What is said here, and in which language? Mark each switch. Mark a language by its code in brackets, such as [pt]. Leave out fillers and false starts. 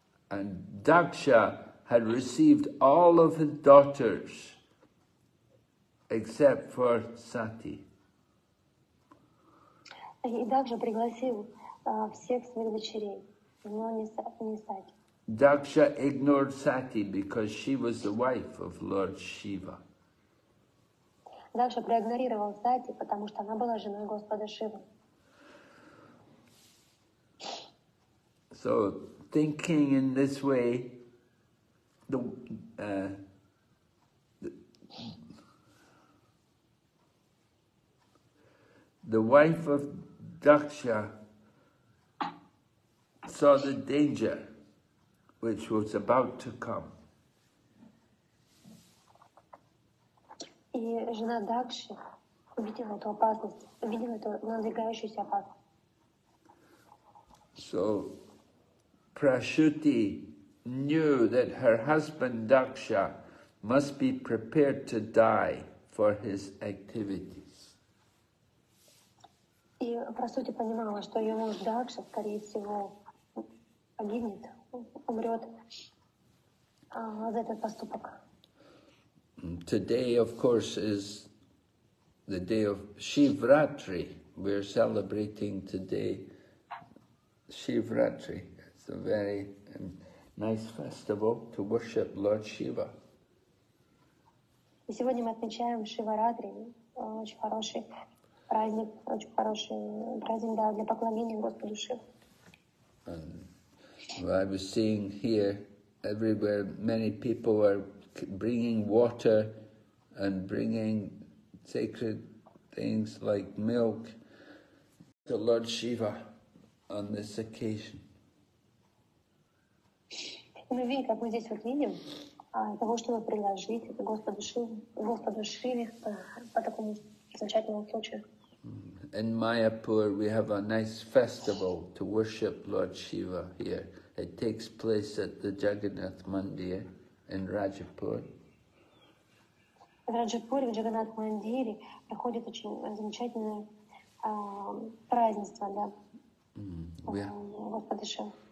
[en] And Daksha had received all of his daughters except for Sati. Daksha ignored Sati because she was the wife of Lord Shiva. [ru] Daksha проигнорировал Сати, потому что она была женой Господа Шивы. [en] So, thinking in this way, the wife of Daksha saw the danger which was about to come. [ru] И жена Дакши увидела эту опасность, увидела эту надвигающуюся опасность. [en] So Prasuti knew that her husband Daksha must be prepared to die for his activities. [ru] И Прасути понимала, что ее муж Дакша, скорее всего, погибнет, умрет за этот поступок. [en] Today, of course, is the day of Shivratri. We are celebrating today Shivratri. It's a very nice festival to worship Lord Shiva. [ru] И сегодня мы отмечаем Шиваратри, очень хороший праздник, да, для поклонения Господу Шиве. [en] I was seeing here everywhere many people are bringing water and bringing sacred things like milk to Lord Shiva on this occasion. [ru] Мы видим, как мы здесь вот видим. Того, чтобы приложить это Господу Шиве по такому замечательному случаю. [en] In Mayapur we have a nice festival to worship Lord Shiva here. It takes place at the Jagannath Mandir in Rajapur. [ru] В Раджапуре, в Джаганнат Мандире, проходит очень замечательное празднество, да, Господа Шива.